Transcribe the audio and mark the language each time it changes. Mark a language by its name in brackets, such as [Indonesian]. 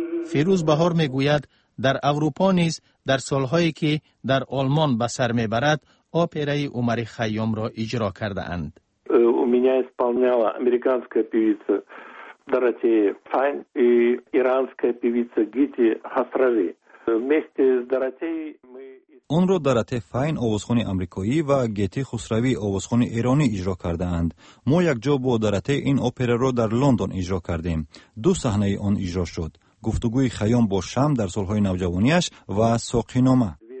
[Persian] Фирӯз Баҳор [Tajik] мегуяд, [Persian] در اروپا نیز در سالهایی که در آلمان به سر می برد اپرای عمر خیام را اجرا کرده اند. [Russian] У меня исполняла американская певица Доротея Файн и иранская певица Гити Хасрави. Вместе с Доротеей мы [Persian] اون را دراته فاین آوازخون امریکایی و گیتی خسروی آوازخون ایرانی اجرا کرده اند. ما یک جا با دراته این اپره را در لندن اجرا کردیم. دو صحنه آن اجرا شد. گفتگوی خیام با شم در سالهای نوجوانیش و ساقینامه.